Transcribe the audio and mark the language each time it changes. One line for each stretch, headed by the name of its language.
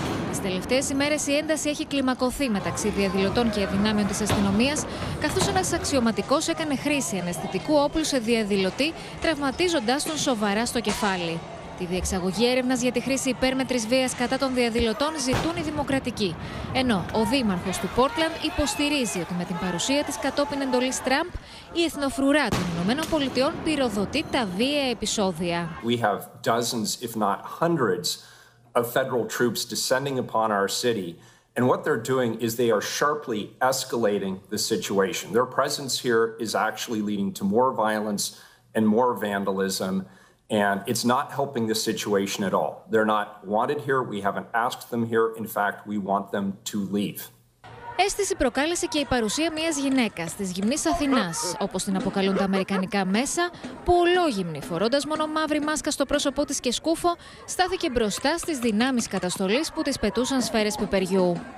Greek: Τις τελευταίες ημέρες η ένταση έχει κλιμακωθεί μεταξύ διαδηλωτών και αδυνάμεων της αστυνομίας, καθώς ένας αξιωματικός έκανε χρήση αναισθητικού όπλου σε διαδηλωτή, τραυματίζοντάς τον σοβαρά στο κεφάλι. Τη διεξαγωγή έρευνας για τη χρήση υπέρμετρης βίας κατά των διαδηλωτών ζητούν οι δημοκρατικοί. Ενώ ο δήμαρχος του Portland υποστηρίζει ότι με την παρουσία της κατόπιν εντολής Τραμπ, η εθνοφρουρά των Ηνωμένων Πολιτειών πυροδοτεί τα βία επεισόδια.
English: We have dozens, if not hundreds, of federal troops descending upon our city, and what they're doing is they are sharply escalating the situation. Their presence here is actually leading to more violence and more vandalism, and it's not helping the situation at all. They're not wanted here. We haven't asked them here. In fact, we want them to leave.
Greek: Αίσθηση προκάλεσε και η παρουσία μιας γυναίκας της γυμνής Αθηνάς, όπως την αποκαλούν τα αμερικανικά μέσα, που ολόγυμνη, φορώντας μόνο μαύρη μάσκα στο πρόσωπό της και σκούφο, στάθηκε μπροστά στις δυνάμεις καταστολής που της πετούσαν σφαίρες πιπεριού.